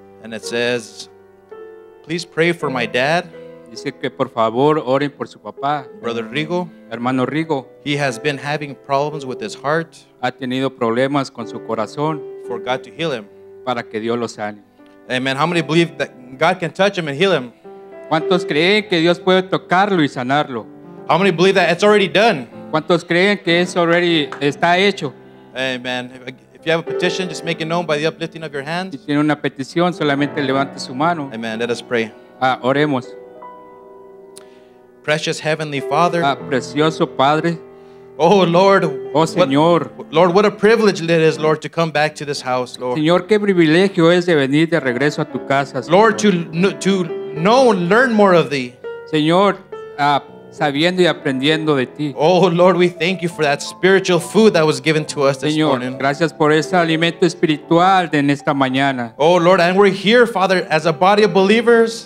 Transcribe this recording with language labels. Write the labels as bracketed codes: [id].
[en] And it says, please pray for my dad. [es] Dice que por favor oren por su papá. [en] Brother Rigo. [es] Hermano Rigo. [en] He has been having problems with his heart. [es] Ha tenido problemas con su corazón. [en] For God to heal him. [es] Para que Dios lo sane. [en] Amen. How many believe that God can touch him and heal him? [es] ¿Cuántos creen que Dios puede tocarlo y sanarlo? [en] How many believe that it's already done? [es] ¿Cuántos creen que es [en] already [es] está hecho? [en] Amen. If you have a petition, just make it known by the uplifting of your hands. [es] Si tiene una petición, solamente levante su mano. [en] Amen. Let us pray. [es] Oremos. [en] Precious Heavenly Father. [es] Precioso Padre. [en] Oh Lord, [es] oh Señor, [en] Lord, what a privilege it is, Lord, to come back to this house, Lord. [es] Señor, qué privilegio es de venir de regreso a tu casa, Señor. [en] Lord, to know and learn more of thee. [es] Señor, sabiendo y aprendiendo de ti. [en] Oh Lord, we thank you for that spiritual food that was given to us, [es] Señor, [en] this morning. [es] Gracias por ese alimento espiritual de en esta mañana. [en] Oh Lord, and we're here, Father, as a body of believers.